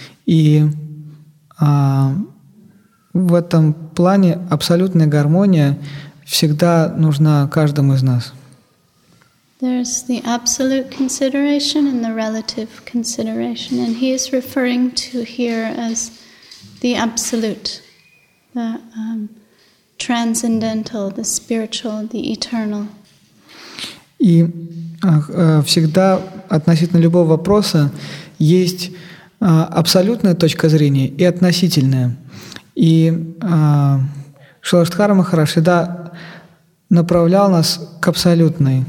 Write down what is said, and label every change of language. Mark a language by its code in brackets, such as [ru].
[ru] И в этом плане абсолютная гармония всегда нужна каждому из нас. [en] There's the absolute consideration and the relative consideration, and he is referring to here as the absolute, the transcendental, the spiritual, the eternal. [ru] И всегда относительно любого вопроса есть абсолютная точка зрения и относительная. И Шиладхара Махараш всегда направлял нас к абсолютной.